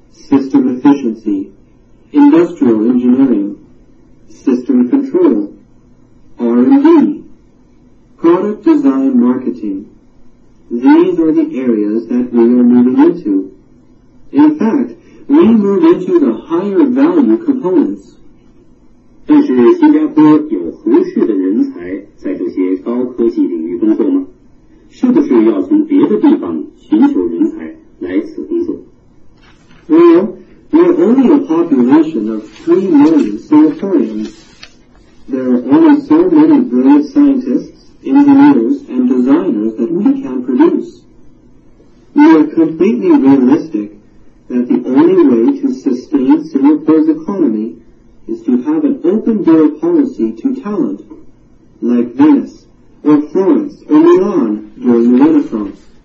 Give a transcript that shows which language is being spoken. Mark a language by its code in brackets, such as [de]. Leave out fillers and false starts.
[en] System efficiency, industrial engineering, system control, R&D, product design marketing, These are the areas that we are moving into. In fact, we move into the higher value components. [zh] 但是新加坡有合适的人才在这些高科技领域工作吗？是不是要从别的地方寻求人才来此工作？ [en] Well, there are only a population of 3 million Singaporeans. There are only so many brilliant scientists, engineers, and designers that we can produce. We are completely realistic that the only way to sustain Singapore's economy is to have an open door policy to talent, like Venice, or Florence, or Milan during the Renaissance.